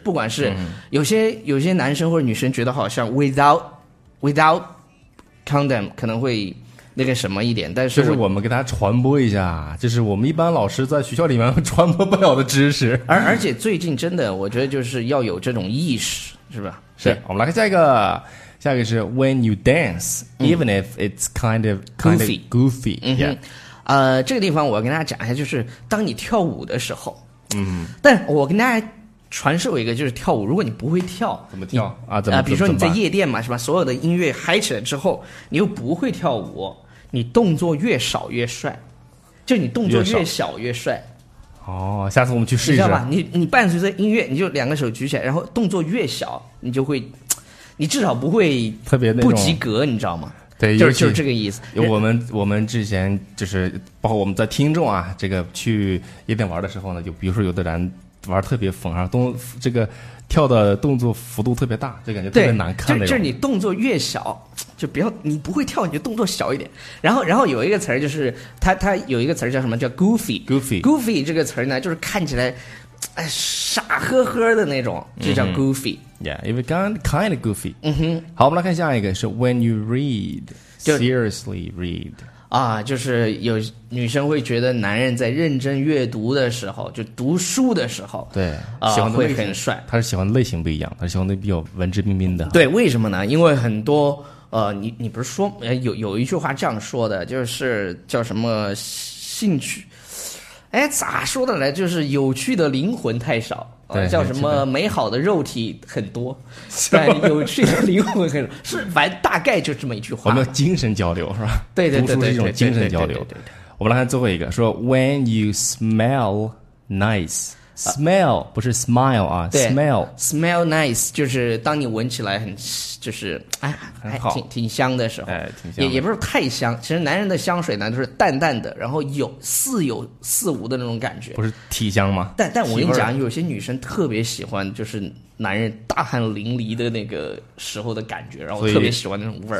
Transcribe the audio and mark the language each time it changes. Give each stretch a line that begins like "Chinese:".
Chinese: 不管是有些男生或者女生觉得好像
English: without condom
Chinese: 可能会那个什么一点，但是就是我们给大家传播一下，就是我们一般老师在学校里面传播不了的知识。而且最近真的，我觉得就是要有这种意识，是吧？是。我们来看下一个是
English: When you dance, even if it's kind of goofy，
Chinese: 嗯哼。这个地方我要跟大家讲一下，就是当你跳舞的时候，嗯，但我跟大家传授一个，就是跳舞，如果你不会跳，怎么跳啊？怎么？比如说你在夜店嘛，是吧？所有的音乐嗨起来之后，你又不会跳舞，你动作越少越帅，就你动作越小越帅。哦，下次我们去试一试。你知道吧？你伴随着音乐，你就两个手举起来，然后动作越小，你就会，你至少不会特别不及格，你知道吗？对，就是这个意思。我们之前就是包括我们在听众啊，这个去夜店玩的时候呢，就比如说有的人玩特别疯啊，这个跳的动作幅度特别大，就感觉特别难看。就是你动作越小，就不要，你不会跳，你就动作小一点。然后有一个词儿，就是它有一个词儿叫什么？叫 goofy 这个词儿呢，就是看起来哎傻呵呵的那种，就叫 goofy。
English: Mm-hmm. Yeah, if you kind of goofy。
Chinese: 嗯哼。好，我们来看下一个是
English: when you read seriously read。
Chinese: 啊，就是有女生会觉得男人在认真阅读的时候，就读书的时候，对，喜欢的会很帅。他是喜欢类型不一样，他是喜欢的比较文质彬彬的。对，为什么呢？因为很多你不是说有一句话这样说的，就是叫什么兴趣？哎，咋说的来？就是有趣的灵魂太少。叫什么美好的肉体很多，但有趣的灵魂很少，是反正大概就这么一句话。我们要精神交流是吧？对对对，读书是一种精神交流。我们来看最后一个，说
English: When you smell nice， smell
Chinese: 不是
English: smile 啊， smell
Chinese: smell nice 就是当你闻起来很就是哎很好，挺香的时候，哎，挺香的，也不是太香。其实男人的香水呢，就是淡淡的，然后似有似无的那种感觉，不是体香吗？但我跟你讲，有些女生特别喜欢，就是男人大汗淋漓的那个时候的感觉，然后特别喜欢那种味儿，